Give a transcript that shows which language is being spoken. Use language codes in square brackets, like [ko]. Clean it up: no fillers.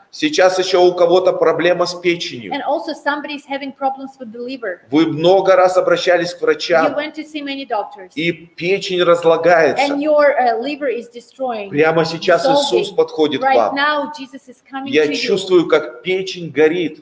[ru] Сейчас еще у кого-то проблема с печенью. [en] And also somebody's having problems with the liver. [ru] Вы много раз обращались к врачам. [en] You went to see many doctors. [ru] И печень разлагается. [en] And your liver is destroying. [ru] Прямо сейчас Иисус подходит к вам. [en] Right now Jesus is coming to you. [ru] Я чувствую, как печень горит.